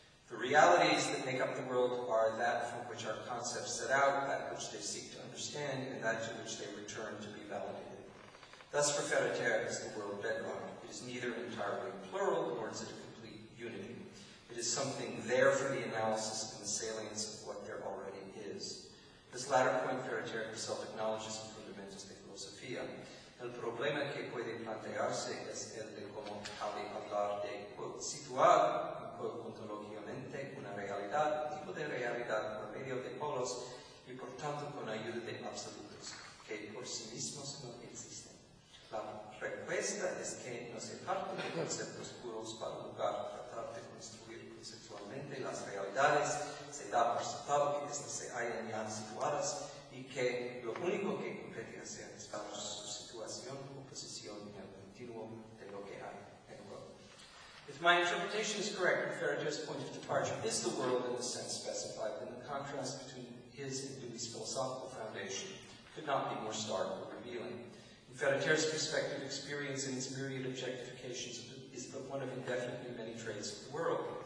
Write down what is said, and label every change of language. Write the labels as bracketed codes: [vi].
[en] The realities that make up the world are that from which our concepts set out, that which they seek to understand, and that to which they return to be validated. Thus, for Ferreter, is the world bedrock. It is neither entirely plural, nor is it a complete unity. It is something there for the analysis and the salience of what there already is. This latter point, Ferreter himself acknowledges in Fundamentos de Filosofía. [es] El problema que puede plantearse es el de cómo cabe hablar de, quote, situar, quote, ontológicamente una realidad, tipo de realidad por medio de polos y por tanto con ayuda de absolutos, que por sí mismos no existen. La respuesta es que no se parte de conceptos puros para lugar tratar de construir conceptualmente las realidades, se da por sentado que estas se hayan ya situadas y que lo único que compete hacer es dar su situación o posición en el continuo de lo que hay. [en] If my interpretation is correct, Ferreter's point of departure is the world in the sense specified, then the contrast between his and Dewey's philosophical foundation could not be more stark or revealing. In Ferreter's perspective, experience in its myriad objectifications is but one of indefinitely many traits of the world.